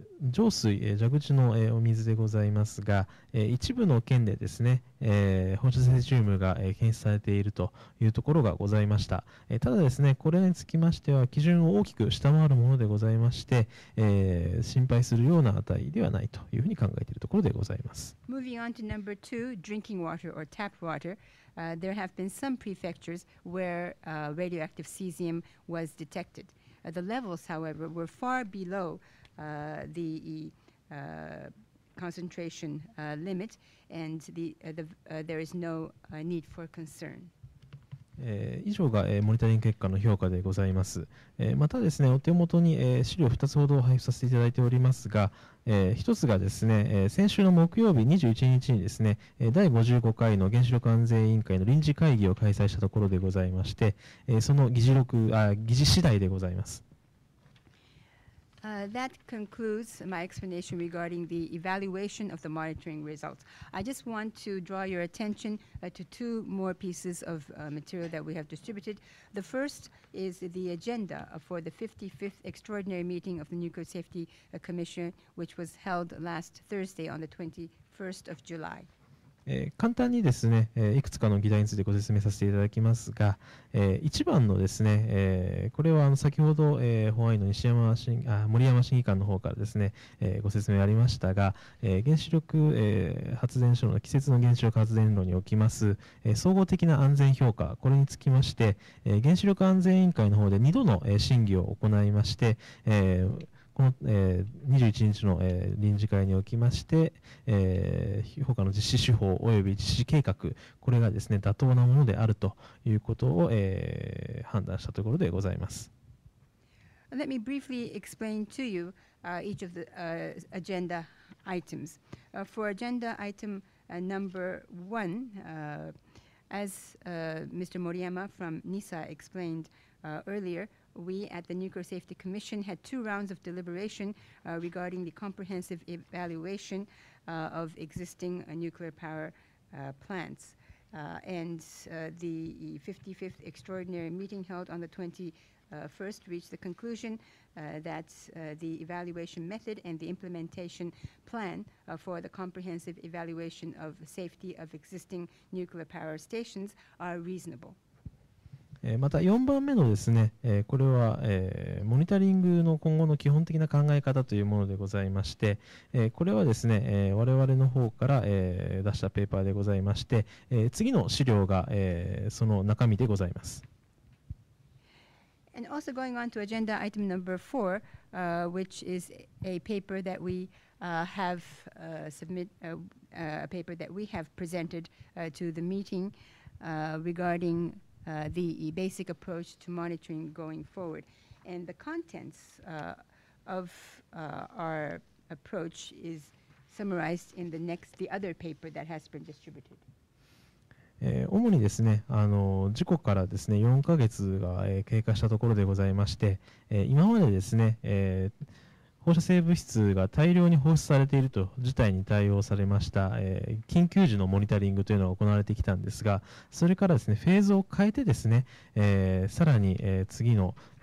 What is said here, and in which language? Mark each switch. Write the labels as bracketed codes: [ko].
[ja] 浄水、蛇口の、お水でございますが、一部の県でですね、放射性セシウムが、検出されているというところがございました。ただですね、これにつきましては基準を大きく下回るものでございまして、心配するような値ではないというふうに考えているところでございます。 [en] Moving on to number two, drinking water or tap water. There have been some prefectures where radioactive cesium was detected. The levels, however, were far below the concentration limit, and there is no need for concern. [ja] 以上が、モニタリング結果の評価でございます。またですね、お手元に、資料2つほど配布させていただいておりますが、一つがですね、先週の木曜日21日にですね、第55回の原子力安全委員会の臨時会議を開催したところでございまして、その議事次第でございます。 [en] That concludes my explanation regarding the evaluation of the monitoring results. I just want to draw your attention to two more pieces of material that we have distributed. The first is the agenda for the 55th extraordinary meeting of the Nuclear Safety Commission, which was held last Thursday on the 21st of July. [ja] 簡単にですね、いくつかの議題についてご説明させていただきますが、一番のですね、これは先ほど、ホワイトの西山審あ森山審議官の方からですね、ご説明ありましたが、原子力、発電所の季節の原子力発電炉におきます、総合的な安全評価、これにつきまして、原子力安全委員会の方で2度の、審議を行いまして、この、21日の、臨時会におきまして、評価の実施手法及び実施計画、これがですね、妥当なものであるということを、判断したところでございます。 [en] Let me briefly explain to you each of the agenda items. For agenda item number one, as Mr. Moriyama from NISA explained earlier,We at the Nuclear Safety Commission had two rounds of deliberation regarding the comprehensive evaluation of existing nuclear power plants. And the 55th extraordinary meeting held on the 21st reached the conclusion that the evaluation method and the implementation plan for the comprehensive evaluation of the safety of existing nuclear power stations are reasonable. [ja] また4番目のですね、これはモニタリングの今後の基本的な考え方というものでございまして、これはですね、我々の方から出したペーパーでございまして、次の資料がその中身でございます。 [en] And also going on to agenda item number four, which is a paper that we have a paper that we have presented to the meeting regardingthe basic approach to monitoring going forward. And the contents of our approach is summarized in the other paper that has been distributed. [ja] 主にですね、事故からですね、4ヶ月が、経過したところでございまして、今までですね、放射性物質が大量に放出されていると事態に対応されました、緊急時のモニタリングというのが行われてきたんですが、それからですね、フェーズを変えてですね、さらに、次の、